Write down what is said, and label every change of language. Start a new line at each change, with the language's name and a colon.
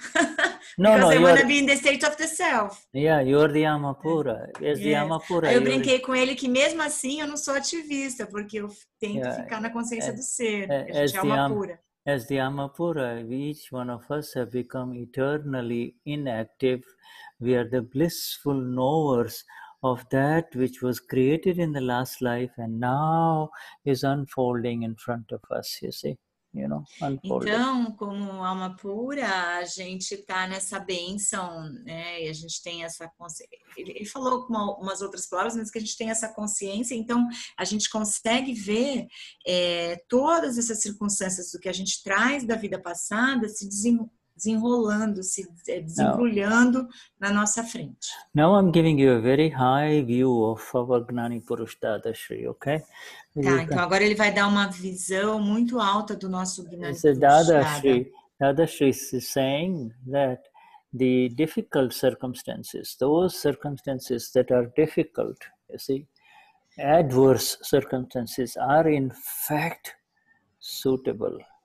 English: because I want to be in the state of the self. Yeah, you're the Amapura. Yes, the Amapura.
Portuguese: Eu brinquei com ele que mesmo assim eu não sou ativista, porque eu tento ficar na consciência do ser.
English: As the Amapura, each one of us have become eternally inactive. We are the blissful knowers of that which was created in the last life and now is unfolding in front of us, you see. You know,
Portuguese: então, como alma pura, a gente está nessa bênção, né? E a gente tem essa consciência. Ele falou com umas outras palavras, mas que a gente tem essa consciência, então a gente consegue ver todas essas circunstâncias do que a gente traz da vida passada se desenrolando, se desembrulhando na nossa frente.
English: Now I'm giving you a very high view of our Gnani Purush Dadashri, okay?
Portuguese: Então agora ele vai dar uma visão muito alta do nosso Gnani Purush Dadashri.
English: Dadashri is saying that the difficult circumstances, those circumstances that are difficult, you see, adverse circumstances are in fact suitable.